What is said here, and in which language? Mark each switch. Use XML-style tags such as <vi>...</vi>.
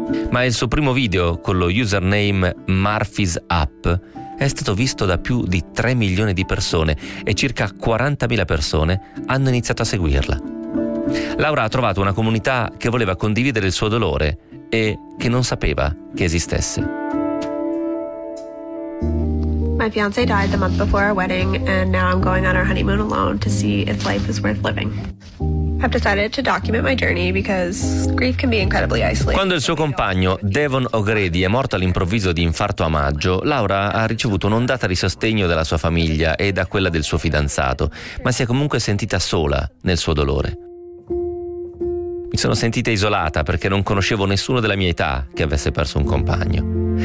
<it>Ma il suo primo video, con lo username Murphy's Up, è stato visto da più di 3 milioni di persone e circa 40.000 persone hanno iniziato a seguirla. Laura ha trovato una comunità che voleva condividere il suo dolore e che non sapeva che esistesse.</it> <en>My fiance died the month before our wedding, and now I'm going on our honeymoon alone to see if life is worth living. I've decided to document my journey because grief can be incredibly isolating.</en> <it>Quando il suo compagno Devon O'Grady è morto all'improvviso di infarto a maggio, Laura ha ricevuto un'ondata di sostegno dalla sua famiglia e da quella del suo fidanzato, ma si è comunque sentita sola nel suo dolore. Mi sono sentita isolata perché non conoscevo nessuno della mia età che avesse perso un compagno.</it>